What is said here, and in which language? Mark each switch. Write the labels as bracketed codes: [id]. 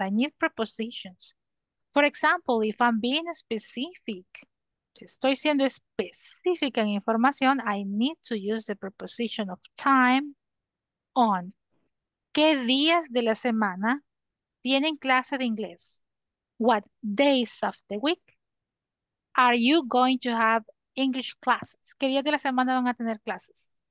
[en] I need prepositions. For example, if I'm being specific, [es] si estoy siendo específica en información, [en] I need to use the preposition of time on. [es] ¿Qué días de la semana tienen clase de inglés? [en] What days of the week are you going to have English classes? [es] ¿Qué días de la semana van a tener clases?